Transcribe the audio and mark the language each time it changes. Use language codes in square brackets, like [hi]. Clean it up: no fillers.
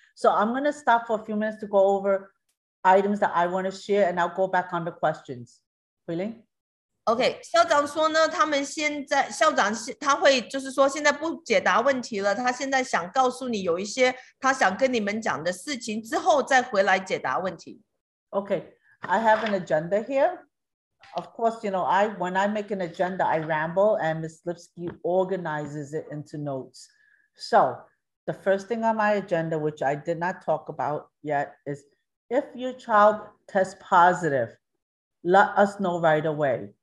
[en] So I'm going to stop for a few minutes to go over items that I want to share, and I'll go back on the questions. Really? [zh] Okay, 校长说呢他们现在校长他会就是说现在不解答问题了，他现在想告诉你有一些他想跟你们讲的事情，之后再回来解答问题。 [en] Okay, I have an agenda here. Of course, you know, when I make an agenda, I ramble and Ms. Lipsky organizes it into notes. So, the The first thing on my agenda, which I did not talk about yet, is if your child tests positive, let us know right away.